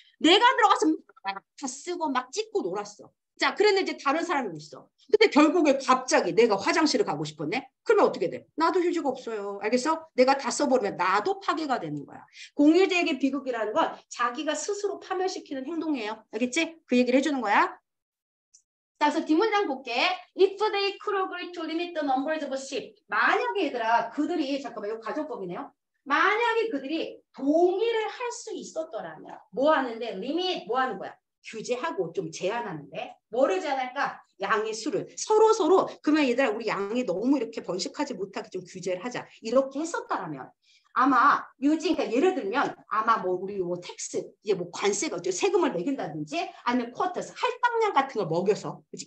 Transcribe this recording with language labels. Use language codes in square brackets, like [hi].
[ko] 내가 들어가서 막 다 쓰고 막 찍고 놀았어. 자 그랬는데 다른 사람이 있어. 근데 결국에 갑자기 내가 화장실을 가고 싶었네. 그러면 어떻게 돼? 나도 휴지가 없어요. 알겠어? 내가 다 써버리면 나도 파괴가 되는 거야. 공유재의 비극이라는 건 자기가 스스로 파멸시키는 행동이에요. 알겠지? 그 얘기를 해주는 거야. 자, 그래서 뒷문장 볼게. [en] If they could agree to limit the numbers of sheep. [ko] 만약에 얘들아 그들이 잠깐만 이거 가정법이네요. 만약에 그들이 동의를 할 수 있었더라면 뭐 하는데 limit 뭐 하는 거야? 규제하고 좀 제한하는데 뭐를 제한할까? 양의 수를 서로 그러면 얘들아 우리 양이 너무 이렇게 번식하지 못하게 좀 규제를 하자 이렇게 했었다라면 아마 유진 그러니까 예를 들면 아마 뭐 우리 뭐 텍스 이제 뭐 관세가 어째 세금을 매긴다든지 아니면 쿼터스 할당량 같은 걸 먹여서 그치?